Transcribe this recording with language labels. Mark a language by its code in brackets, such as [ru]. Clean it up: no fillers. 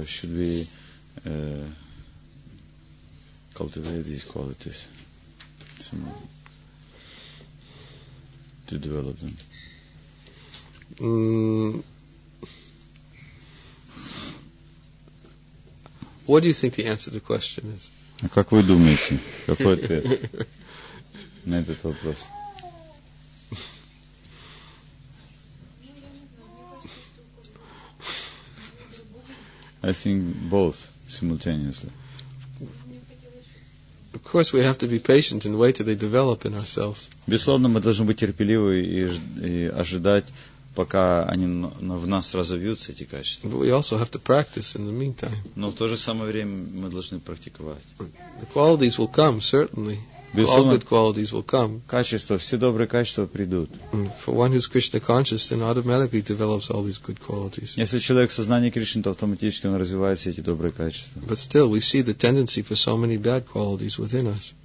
[en] Or should we cultivate these qualities, somehow, to develop them? What do you think the answer to the question is? [ru] Как вы думаете? Какой ответ на этот вопрос? [en] I think both simultaneously. Of course, we have to be patient and wait till they develop in ourselves. [ru] Безусловно, мы должны быть терпеливы и ожидать, пока они в нас разовьются эти качества. [en] But we also have to practice in the meantime. [ru] Но в то же самое время мы должны практиковать. [en] The qualities will come, certainly. All good qualities will come. [ru] Качества, все добрые качества придут. [en] For one who's Krishna conscious, then automatically develops all these good qualities. [ru] Если человек в сознании Кришны, то автоматически он развивает все эти добрые качества. [en] But still, we see the tendency for so many bad qualities within us.